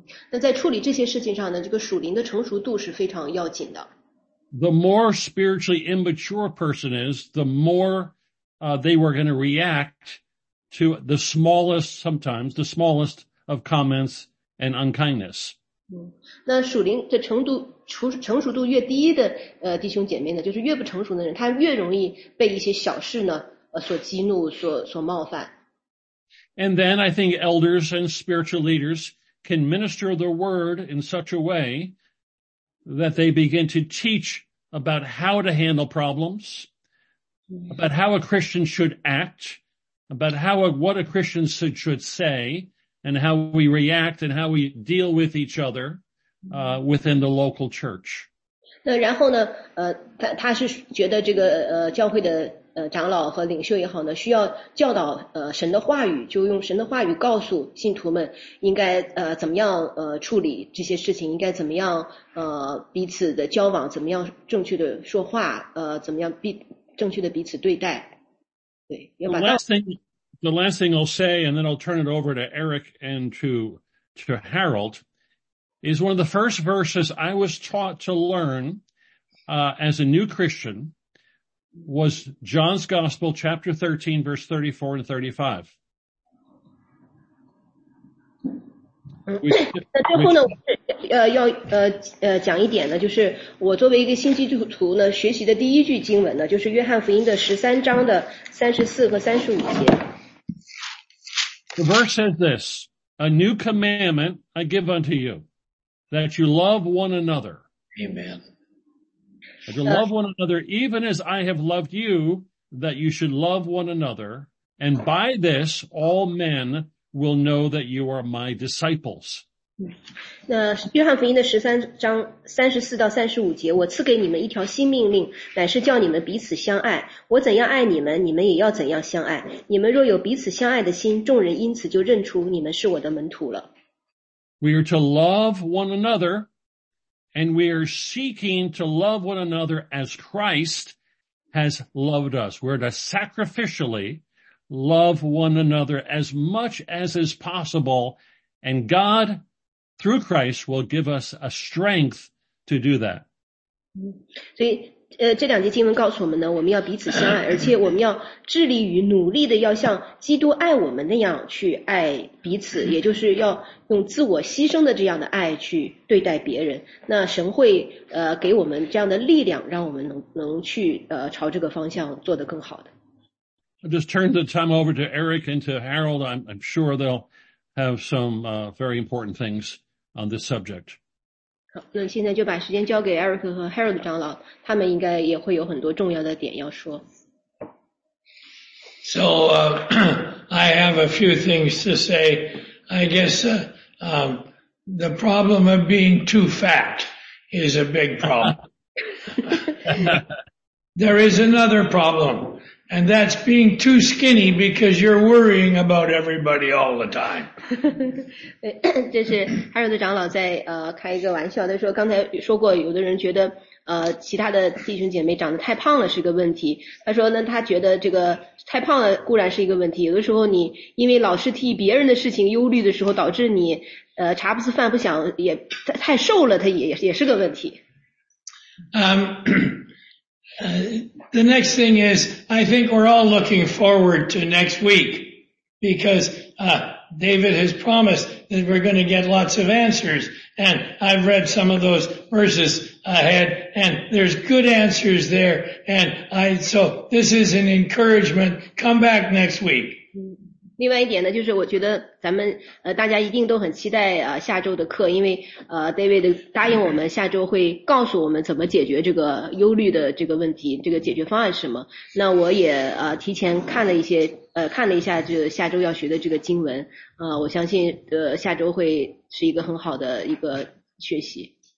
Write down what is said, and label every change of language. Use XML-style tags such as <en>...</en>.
<zh>那在处理这些事情上呢，这个属灵的成熟度是非常要紧的。</zh> <en>The more spiritually immature a person is, the more, they were going to react. To the smallest, sometimes, the smallest of comments and unkindness.</en> <zh>那属灵的成熟度越低的弟兄姐妹呢，就是越不成熟的人，他越容易被一些小事呢所激怒，所冒犯。</zh> <en>And then I think elders and spiritual leaders can minister the word in such a way that they begin to teach about how to handle problems, about how a Christian should act,about what a Christian should say, and how we react, and how we deal with each other, within the local church.</en> <zh>那然后呢，他是觉得这个教会的长老和领袖也好呢，需要教导神的话语，就用神的话语告诉信徒们应该怎么样处理这些事情，应该怎么样彼此的交往，怎么样正确的说话，怎么样正确的彼此对待。</zh> <en>The last thing I'll say, and then I'll turn it over to Eric and to Harold, is one of the first verses I was taught to learn, as a new Christian was John's Gospel, chapter 13, verse 34 and 35.</en> <zh>讲一点呢，就是我作为一个新基督徒呢，学习的第一句经文呢，就是约翰福音的13章的34和35节。</zh> <en>The verse says this, a new commandment I give unto you, that you love one another. Amen. That you love one another, even as I have loved you, that you should love one another, and by this all men will know that you are my disciples.</en> <zh>那约翰福音的13章34到35节，我赐给你们一条新命令，乃是叫你们彼此相爱。我怎样爱你们，你们也要怎样相爱。你们若有彼此相爱的心，众人因此就认出你们是我的门徒了。</zh> <en>We are to love one another, and we are seeking to love one another as Christ has loved us. We're to sacrificially love one another as much as is possible, and God. Through Christ will give us a strength to do that.</en> <zh>所以这两节经文告诉我们呢，我们要彼此相爱，而且我们要致力于努力的要像基督爱我们那样去爱彼此，也就是要用自我牺牲的这样的爱去对待别人。那神会给我们这样的力量，让我们能去朝这个方向做得更好的。</zh> <en>I'll just turn the time over to Eric and to Harold. I'm sure they'll have some very important things on this subject.</en> <zh>好，那现在就把时间交给 Eric 和 Harold 长老，他们应该也会有很多重要的点要说。</zh> <en>So, I have a few things to say. I guess, the problem of being too fat is a big problem. There is another problem, and that's being too skinny because you're worrying about everybody all the time.</en> <zh>这是 Harold 长老在开一个玩笑，他说刚才说过有的人觉得其他的弟兄姐妹长得太胖了是个问题。他说呢，他觉得这个太胖了固然是一个问题，有的时候你因为老是替别人的事情忧虑的时候，导致你茶不思饭不想，也太瘦了，他也是个问题。</zh> <en>The next thing is, I think we're all looking forward to next week because David has promised that we're going to get lots of answers, and I've read some of those verses ahead, and there's good answers there, and so this is an encouragement. Come back next week.</en> <zh>另外一点呢，就是我觉得咱们大家一定都很期待下周的课，因为David 答应我们下周会告诉我们怎么解决这个忧虑的这个问题，这个解决方案是什么。那我也提前看了一些看了一下这下周要学的这个经文，我相信下周会是一个很好的一个学习。</zh>